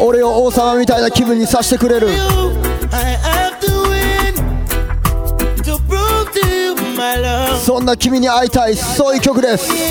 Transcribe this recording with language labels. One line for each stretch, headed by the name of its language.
Japanese: 俺を王様みたいな気分にさせてくれる。
English: I have to win to prove to you my love.
Japanese: そんな君に会いたい、そういう曲です。